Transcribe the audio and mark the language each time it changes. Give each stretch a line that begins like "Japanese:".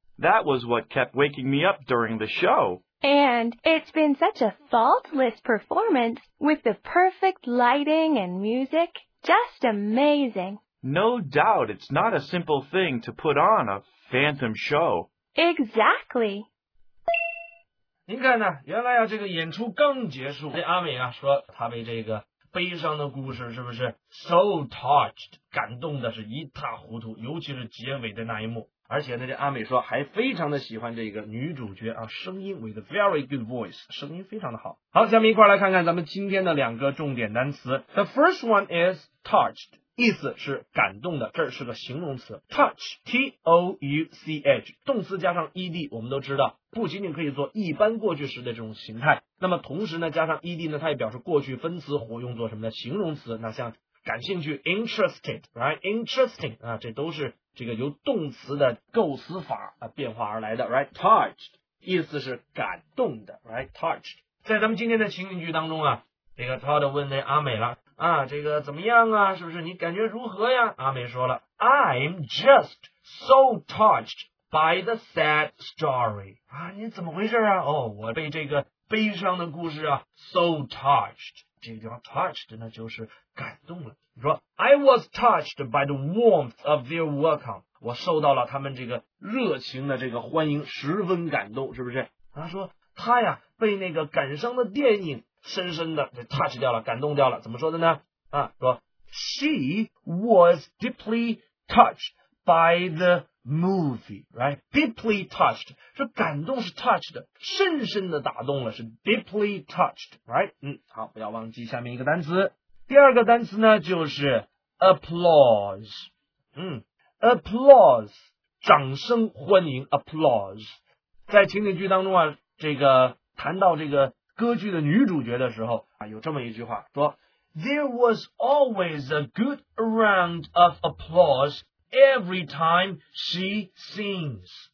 English: That was what kept waking me up during the show. And it's been such a faultless performance with the perfect lighting and music. Just amazing. No doubt it's not a simple thing to put on a phantom show. Exactly.
Chinese: 您看呢，原来啊，这个演出刚结束，这阿美啊说她被这个悲伤的故事是不是
English: so touched
Chinese: 感动的是一塌糊涂，尤其是结尾的那一幕。而且呢，这阿美说还非常的喜欢这个女主角啊，声音
English: with a very good voice，
Chinese: 声音非常的好。好，下面一块来看看咱们今天的两个重点单词。
English: The first one is touched，
Chinese: 意思是感动的，这是个形容词 ，touch t o u c h， 动词加上 e d， 我们都知道。不仅仅可以做一般过去时的这种形态，那么同时呢加上 ed 呢，它也表示过去分词或用作什么的形容词。那像感兴趣 interested， right， interesting 啊，这都是这个由动词的构词法啊变化而来的， right， touched 意思是感动的， right， touched。在咱们今天的情景剧当中啊，这个 Todd 问那阿美了啊，这个怎么样啊，是不是你感觉如何呀？阿美说了，
English: I'm just so touchedby the sad story
Chinese: 啊，你怎么回事啊？哦，我被这个悲伤的故事啊
English: so touched，
Chinese: 这个地方 touched 呢就是感动了。你说
English: I was touched by the warmth of their welcome，
Chinese: 我受到了他们这个热情的这个欢迎十分感动，是不是？他说他呀被那个感伤的电影深深的 touch 掉了，感动掉了。怎么说的呢？啊，说
English: she was deeply touched by the movie, right? Deeply touched,
Chinese: 是感动，
English: 是 touched,
Chinese: 深深的打动了，
English: 是 deeply touched, right?
Chinese: 嗯，好，不要忘记下面一个单词。第二个单词呢，就是 applause, 嗯 ,applause, 掌声欢迎 ,applause。在情景剧当中啊，这个谈到这个歌剧的女主角的时候啊，有这么一句话说 ,
English: There was always a good round of applause every time she sings.